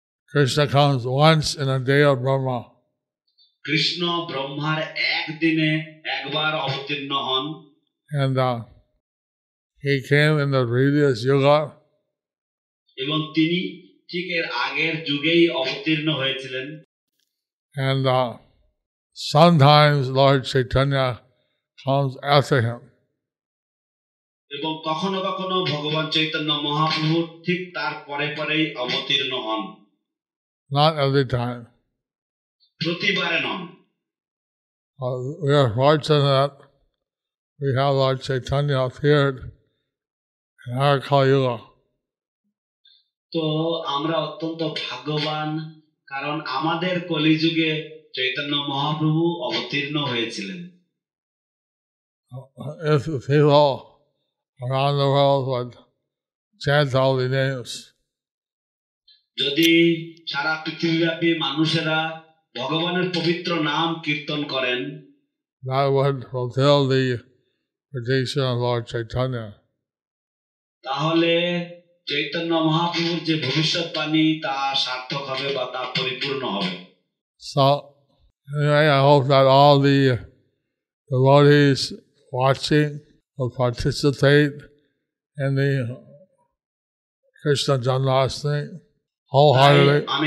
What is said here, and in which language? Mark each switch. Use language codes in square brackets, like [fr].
[en] Krishna comes once in a day of Brahma. [bn] Krishna Brahmar ek dine ekbar avatirna hon. [en] And He came in the previous yuga. [bn] এবং তিনি ঠিক এর আগের যুগেই অবতীর্ণ হয়েছিলেন. [en] And sometimes Lord Chaitanya comes after him. [bn] এবং কখনো কখনো ভগবান চৈতন্য মহাপ্রভু ঠিক তার পরে পরেই অবতীর্ণ হন. [en] Not every time. [bn] প্রতিবারে non. [en] We are fortunate that we have Lord Chaitanya appeared in our Kali Yuga. [bn] So, আমরা অত্যন্ত ভাগ্যবান কারণ আমাদের কলি যুগে চৈতন্য মহাপ্রভু অবতীর্ণ হয়েছিলেন. [en] If people around the world would chant all the names. [bn] যদি সারা পৃথিবীব্যাপী মানুষেরা ভগবানের পবিত্র নাম কীর্তন করেন, [en] that would fulfill the prediction of Lord Chaitanya. [bn] তাহলে চৈতন্য মহাপ্রভুর যে ভবিষ্যৎবাণী তা সার্থক হবে বা তা পরিপূর্ণ হবে. [en] So, anyway, I hope that all the devotees watching will participate in the Krishna Janmashtami wholeheartedly.